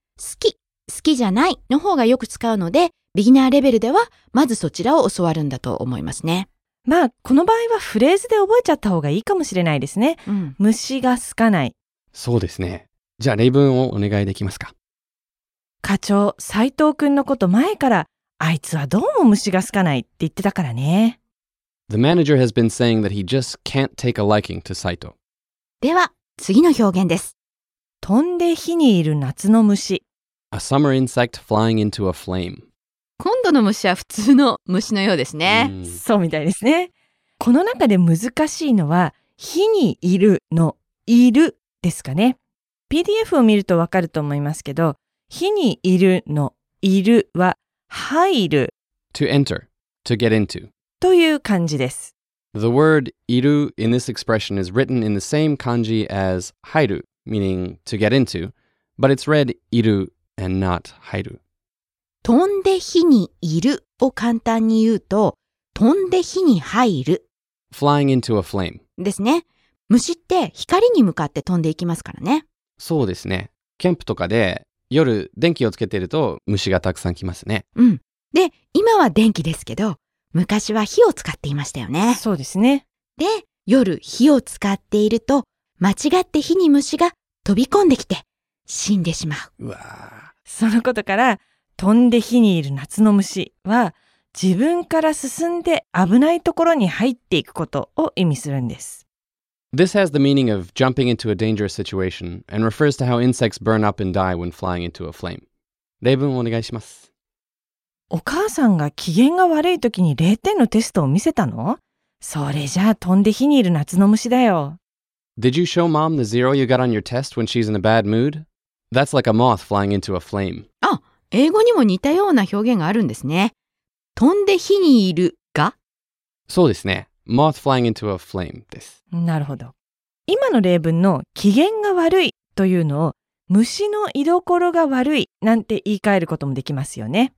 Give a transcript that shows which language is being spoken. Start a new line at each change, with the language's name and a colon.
Japanese: 好き、好きじゃないの方がよく使うので、ビギナーレベルではまずそちらを教わるんだと思いますね。まあこの場合はフレーズで覚えちゃった方がいいかもしれないですね、うん、虫が好かない。そうですね。じゃあ例文をお願いできますか。課長、斉藤君のこと前からあいつはどうも虫が好かないって言ってたからね。
English: The manager has been saying that he just can't take a liking to 斉藤。
Japanese: では次の表現です。飛んで火にいる夏の虫。
English: A summer insect flying into a flame。
Japanese: 今度の虫は普通の虫のようですね。そうみたいですね。この中で難しいのは、火にいるのいるですかね。 PDF を見るとわかると思いますけど、火にいるのいるは入る。
English: To enter, to get into.
Japanese: という漢字です。
English: The word いる in this expression is written in the same 漢字 as 入る, meaning to get into, but it's read いる and not 入る。
Japanese: 飛んで火にいるを簡単に言うと、飛んで火に入る。
English: Flying into a flame.
Japanese: ですね。虫って光に向かって飛んでいきますからね。そうですね。キャンプとかで夜電気をつけてると虫がたくさん来ますね。うん。で、今は電気ですけど、昔は火を使っていましたよね。そうですね。で、夜火を使っていると、間違って火に虫が飛び込んできて死んでしまう。うわぁ。そのことから、飛んで火にいる夏の虫は、自分から進んで危ないところに入っていくことを意味するんです。
English: This has the meaning of jumping into a dangerous situation and refers to how insects burn up and die when flying into a flame.
Japanese: 例文をお願いします。お母さんが機嫌が悪い時に0点のテストを見せたの？それじゃあ飛んで火にいる夏の虫だよ。
English: Did you show mom the zero you got on your test when she's in a bad mood? That's like a moth flying into a flame.
Japanese: あ、英語にも似たような表現があるんですね。飛んで火にいるが？そうですね。 Moth flying into a flame です。なるほど。今の例文の機嫌が悪いというのを虫の居所が悪いなんて言い換えることもできますよね。